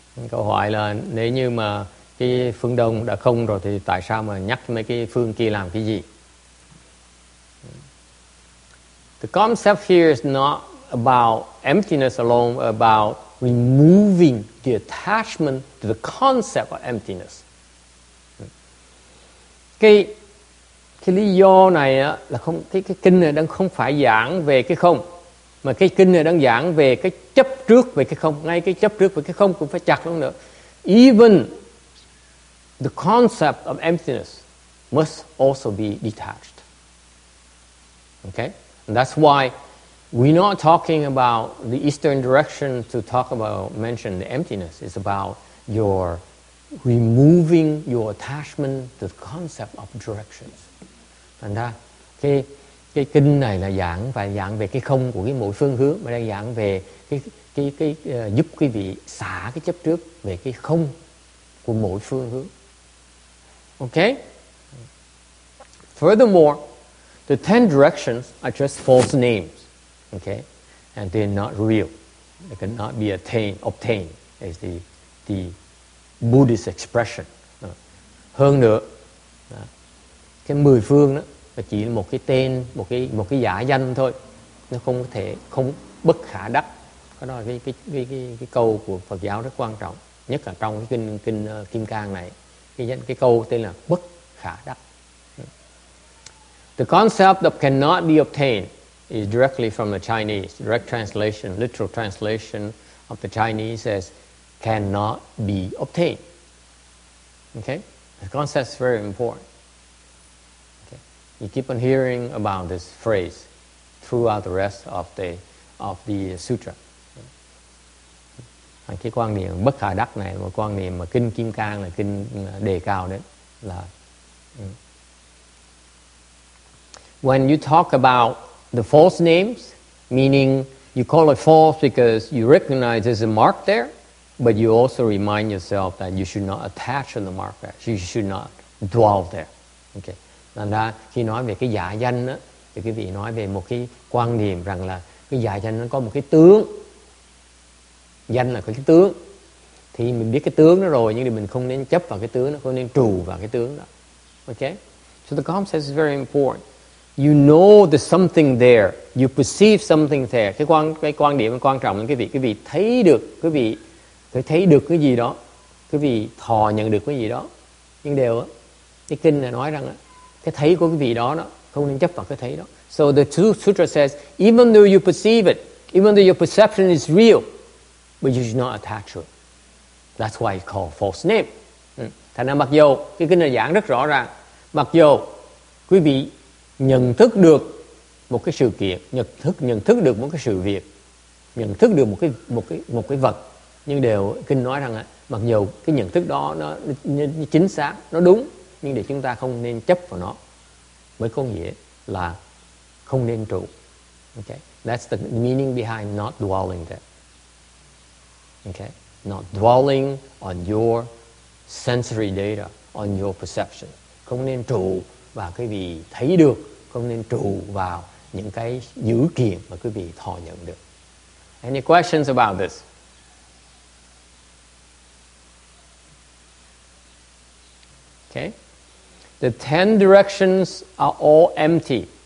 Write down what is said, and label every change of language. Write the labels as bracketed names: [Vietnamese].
[Vietnamese] Câu hỏi là nếu như mà cái phương đông đã không rồi thì tại sao mà nhắc mấy cái phương kia làm cái gì? [English] The concept here is not about emptiness alone, about removing the attachment to the concept of emptiness. [Vietnamese] Cái lý do này là không cái kinh này đang không phải giảng về cái không, mà cái kinh này đang giảng về cái chấp trước về cái không. Ngay cái chấp trước về cái không cũng phải chặt luôn nữa. [English] Even the concept of emptiness must also be detached. Okay? And that's why we're not talking about the eastern direction to talk about, mention the emptiness. It's about your removing your attachment to the concept of directions. [Vietnamese] Thành ra cái kinh này là giảng và giảng về cái không của cái mỗi phương hướng, mà đang giảng về cái giúp quý vị xả cái chấp trước về cái không của mỗi phương hướng. [English] Okay. Furthermore, the ten directions are just false names. Okay, and they're not real. They cannot be obtained as the Buddhist expression. [Vietnamese] Hơn nữa, cái mười phương đó nó chỉ là một cái tên, một cái giả danh thôi, nó không thể không bất khả đắc. Đó là cái câu của Phật giáo rất quan trọng, nhất là trong cái kinh Kim Cang này, cái câu tên là bất khả đắc. [English] The concept of cannot be obtained is directly from the Chinese. Direct translation, literal translation of the Chinese as cannot be obtained. Okay? The concept is very important. Okay? You keep on hearing about this phrase throughout the rest of the sutra. [Vietnamese] Cái quan niệm bất khả đắc này là quan niệm mà kinh Kim Cang là kinh đề cao đấy là. [English] When you talk about the false names, meaning you call it false because you recognize there's a mark there, but you also remind yourself that you should not attach to the mark there. You should not dwell there. Okay. [Vietnamese] Nên là khi nói về cái giả danh đó, thì quý vị nói về một cái quan niệm rằng là cái giả danh nó có một cái tướng. Danh là có cái tướng. Thì mình biết cái tướng đó rồi, nhưng thì mình không nên chấp vào cái tướng đó, không nên trù vào cái tướng đó. [English] Okay? So the concept is very important. You know there's something there. You perceive something there. [Vietnamese] Cái quan điểm quan trọng là quý vị thấy được, quý vị thấy được cái gì đó. Quý vị thọ nhận được cái gì đó. Nhưng đều á, cái kinh là nói rằng á, cái thấy của quý vị đó đó, không nên chấp vào cái thấy đó. [English] So the sutra says, even though you perceive it, even though your perception is real, but you should not attach to it. That's why it's called false name. [Vietnamese] Thành ra mặc dù cái kinh này giảng rất rõ ràng, mặc dù quý vị nhận thức được một cái sự kiện, nhận thức được một cái sự việc, nhận thức được một cái vật, nhưng đều kinh nói rằng mặc dù cái nhận thức đó nó chính xác, nó đúng, nhưng để chúng ta không nên chấp vào nó, mới có nghĩa là không nên trụ. [English] Okay, that's the meaning behind not dwelling there. Okay, not dwelling on your sensory data, on your perception. [Vietnamese] Không nên trụ vào cái gì thấy được, không nên trụ vào những cái dữ kiện mà quý vị thọ nhận được. [English] Any questions about this? Okay, the 10 directions are all empty.